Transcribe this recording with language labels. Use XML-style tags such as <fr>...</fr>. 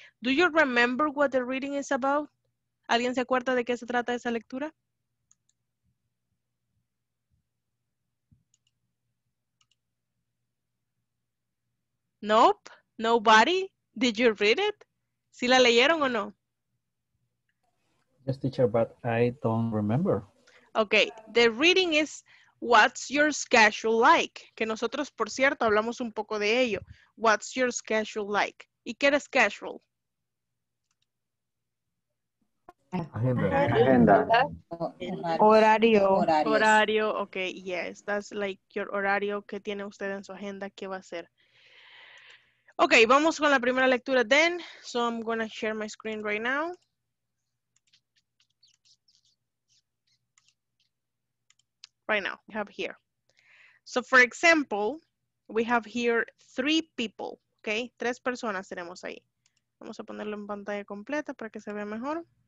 <en>Do you remember what the reading is about?</en> <es>¿Alguien se acuerda de qué se trata esa lectura?</es> <en>Nope, nobody, did you read it?</en> <es>¿Sí la leyeron o no?</es> <en>Yes, teacher, but I don't remember. Okay, the reading is what's your schedule like?</en> <es>Que nosotros, por cierto, hablamos un poco de ello.</es> <en>What's your schedule like?</en> <es>¿Y qué es schedule? Agenda. Horario. Horario,</es> <en>okay, yes. That's like your</en> <es>horario que tiene usted en su agenda. ¿Qué va a hacer? Ok, vamos con la primera lectura then.</es> <en>So I'm going to share my screen right now. Right now, we have here. So for example, we have here three people.</en> <es>Ok, tres personas tenemos ahí. Vamos a ponerlo en pantalla completa para que se vea mejor.</es>